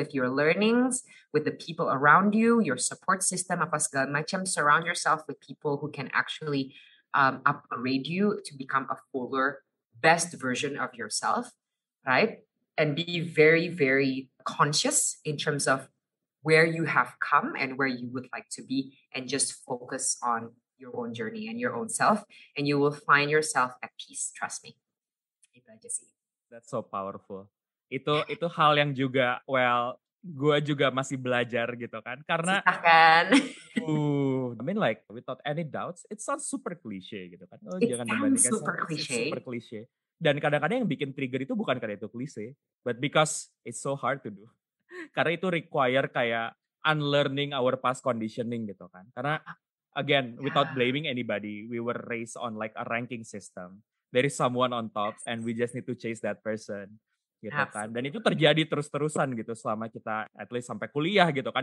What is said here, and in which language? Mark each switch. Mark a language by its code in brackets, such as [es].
[en] With your learnings, with the people around you, your support system, [id] apa segala macam, [en] surround yourself with people who can actually upgrade you to become a fuller, best version of yourself, right? And be very, very conscious in terms of where you have come and where you would like to be, and just focus on your own journey and your own self, and you will find yourself at peace. Trust me. That's so powerful. [id] Itu hal yang juga, [en] well, [id] gue juga masih belajar gitu kan. Karena, silahkan. [en] I mean, like, without any doubts, it sounds super cliche [id] gitu kan. [en] Oh, it jangan sounds super cliche. Super cliche. [id] Dan kadang-kadang yang bikin trigger itu bukan karena itu klise, [en] but because it's so hard to do. [id] Karena itu require kayak [en] unlearning our past conditioning [id] gitu kan. Karena, [en] again, yeah, without blaming anybody, we were raised on like a ranking system. There is someone on top, yes, and we just need to chase that person. [id] Gitu kan. Dan itu terjadi terus-terusan gitu selama kita [en] at least [id] sampai kuliah gitu kan.